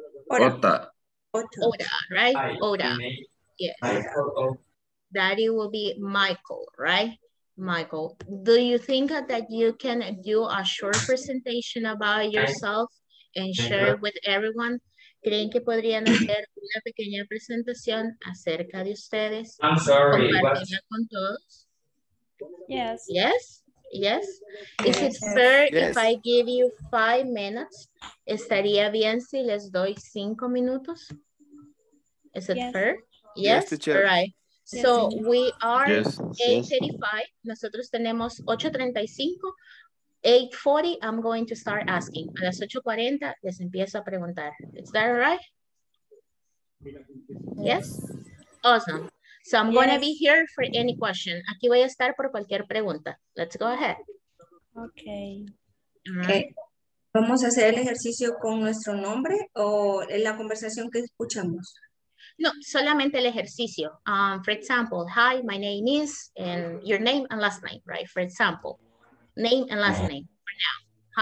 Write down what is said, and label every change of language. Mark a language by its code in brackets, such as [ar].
[en] Ota. Ota, right? Ota. Yes. Daddy will be Michael, right? Michael. Do you think that you can do a short presentation about yourself and share it with everyone? [es] ¿Creen que podrían hacer una pequeña presentación acerca de ustedes? [en] I'm sorry. [es] ¿Compartirla con todos? [en] Yes. Yes. Yes. Is it fair if I give you 5 minutes? [es] ¿Estaría bien si les doy 5 minutos? Is it fair? Yes. All right. [en] So we are 8:35. Nosotros tenemos 8:35. 8:40, I'm going to start asking. A las 8:40, les empiezo a preguntar. Is that all right? Yes. Awesome. So I'm going to be here for any question. [es] Aquí voy a estar por cualquier pregunta. Let's go ahead. [en] Okay. Okay. [es] ¿Vamos a hacer el ejercicio con nuestro nombre o en la conversación que escuchamos? No, solamente el ejercicio. [en] For example, hi, my name is, and your name and last name, right? For example, name and last name for now.